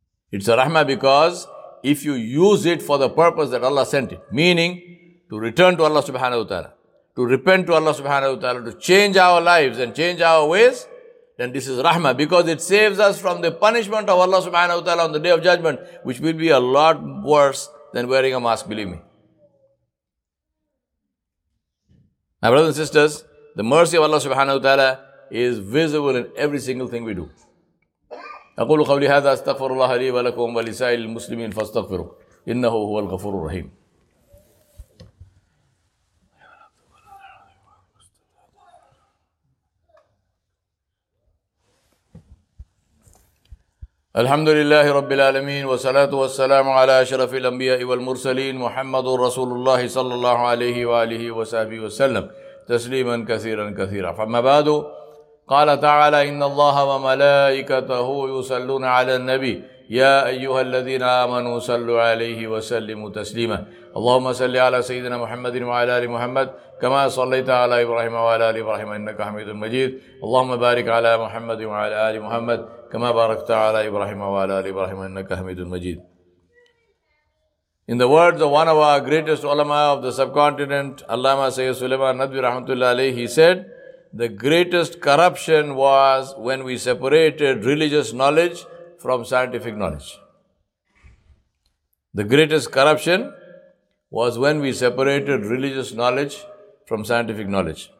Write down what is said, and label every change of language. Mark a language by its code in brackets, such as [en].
[en] It's a rahmah because if you use it for the purpose that Allah sent it, meaning to return to Allah subhanahu wa ta'ala, to repent to Allah subhanahu wa ta'ala, to change our lives and change our ways, then this is rahmah because it saves us from the punishment of Allah subhanahu wa ta'ala on the day of judgment, which will be a lot worse than wearing a mask, believe me. My brothers and sisters, the mercy of Allah subhanahu wa ta'ala is visible in every single thing we do. [ar] أقول قولي هذا استغفر الله لي ولكم ولسائر المسلمين فاستغفروا إنه هو الغفور الرحيم. الحمد لله رب العالمين والصلاة والسلام على أشرف الأنبياء والمرسلين محمد رسول الله صلى الله عليه وآله وصحبه وسلم تسليما كثيرا كثيرا فما بعد قال تعالى إن الله وملائكته يصلون على النبي يا أيها الذين آمنوا صلوا عليه وسلموا تسليما اللهم صل على سيدنا محمد وعلى آل محمد كما صليت على إبراهيم وعلى آل إبراهيم إنك حميد مجيد اللهم بارك على محمد وعلى آل محمد كما باركت على إبراهيم وعلى آل إبراهيم إنك حميد مجيد. [en] In the words of one of our greatest ulama of the subcontinent, Allama Sayyid Sulaiman Nadvi Rahmatullah Alayhi, he said, the greatest corruption was when we separated religious knowledge from scientific knowledge. The greatest corruption was when we separated religious knowledge from scientific knowledge.